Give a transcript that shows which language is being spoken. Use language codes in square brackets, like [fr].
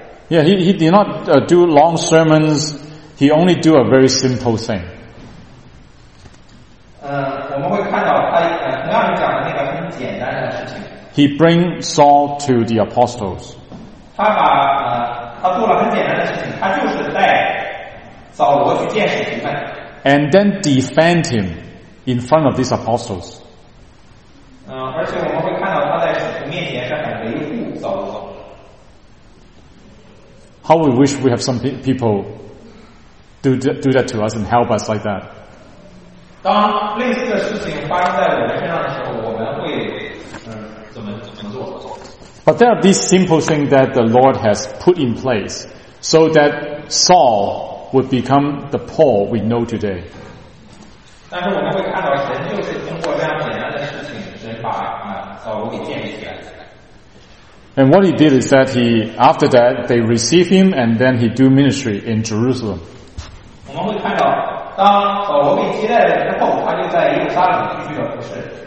[en] Yeah, he did not do long sermons. He only do a very simple thing. [zh] 我们会看到他同样讲的那个很简单的事情。 [en] He bring Saul to the apostles. [zh] 他把他做了很简单的事情，他就是带扫罗去见使徒们。 [en] And then defend him in front of these apostles. [zh] 而且我们会看到他在使徒面前是很维护扫罗。 [en] How we wish we have some people do that to us and help us like that. [zh] 当类似的事情发生在我们身上的时候，我们会怎么做？ [en] But there are these simple things that the Lord has put in place so that Saul would become the Paul we know today. [zh] 但是我们会看到神就是通过这样简单的事情，神把扫罗给建立起来。 [en] And what he did is that he, after that, they receive him and then he do ministry in Jerusalem. [zh] 我们会看到当扫罗被接待了之后，他就在耶路撒冷继续的服事。